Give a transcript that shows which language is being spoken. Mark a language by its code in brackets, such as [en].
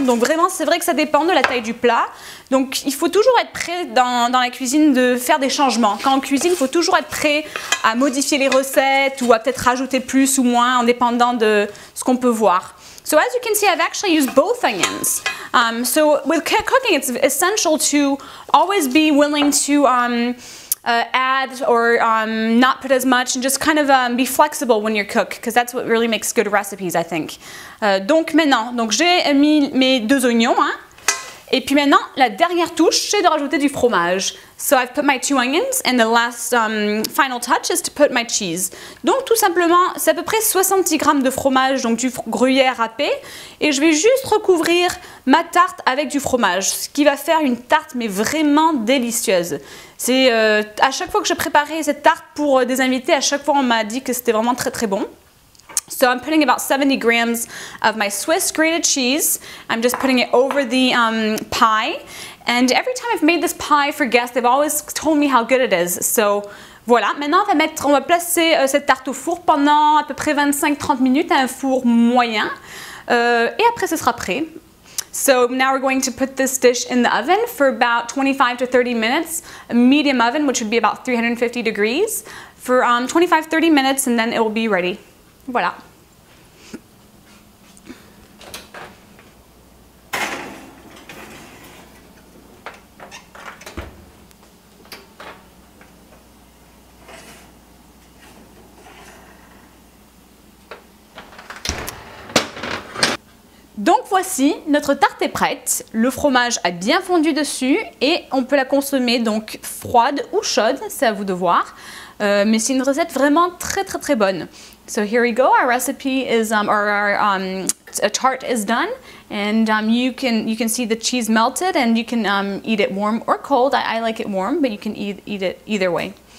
[fr] Donc vraiment, c'est vrai que ça dépend de la taille du plat. Donc il faut toujours être prêt dans la cuisine de faire des changements. Quand on cuisine, il faut toujours être prêt à modifier les recettes ou à peut-être rajouter plus ou moins en dépendant de ce qu'on peut voir. [en] So as you can see, I've actually used both onions. So with cooking, it's essential to always be willing to add or not put as much and just kind of be flexible when you cook, because that's what really makes good recipes, I think. [fr] Donc maintenant, donc j'ai mis mes deux oignons, hein, et puis maintenant, la dernière touche, c'est de rajouter du fromage. [en] So I've put my two onions, and the last final touch is to put my cheese. [fr] Donc tout simplement, c'est à peu près 70 grammes de fromage, donc du gruyère râpé. Et je vais juste recouvrir ma tarte avec du fromage, ce qui va faire une tarte, mais vraiment délicieuse. C'est à chaque fois que j'ai préparé cette tarte pour des invités, à chaque fois on m'a dit que c'était vraiment très très bon. [en] So I'm putting about 70 grams of my Swiss grated cheese. I'm just putting it over the pie. And every time I've made this pie for guests, they've always told me how good it is. [fr] So, voilà. Maintenant, on va placer cette tarte au four pendant à peu près 25-30 minutes à un four moyen. Et après, ce sera prêt. [en] So now we're going to put this dish in the oven for about 25 to 30 minutes, a medium oven, which would be about 350 degrees, for 25-30 minutes, and then it will be ready. [fr] Voilà. Donc voici, notre tarte est prête, le fromage a bien fondu dessus et on peut la consommer donc froide ou chaude, c'est à vous de voir. Mais c'est une recette vraiment très très très bonne. [en] So here we go, our recipe is, a tart is done and you can see the cheese melted and you can eat it warm or cold. I like it warm, but you can eat it either way.